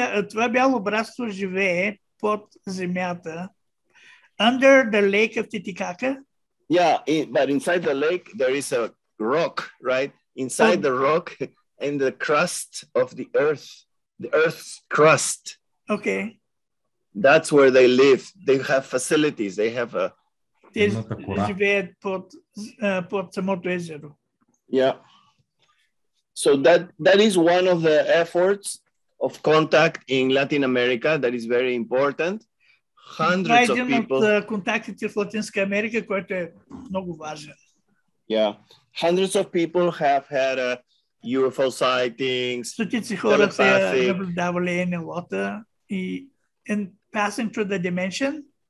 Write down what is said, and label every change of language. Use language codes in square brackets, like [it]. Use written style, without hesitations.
[bg] Това бяло братство живее под земята, [en] under the lake of Titicaca. Yeah, but inside the lake there is a rock, right? Inside the rock and the crust of the earth, the earth's crust. Okay. That's where they live. They have facilities. They have a... [bg] Те живеят под самото езеро. [en] Yeah. So that is one of the efforts of contact in Latin America that is very important. Hundreds of people... [bg] Това е един от контактите в Латинска Америка, което е много важен. [en] Yeah. Hundreds of people have had UFO sightings. [bg] Стотици хора са наблюдавали НЛО-та [en] and passing through the dimension.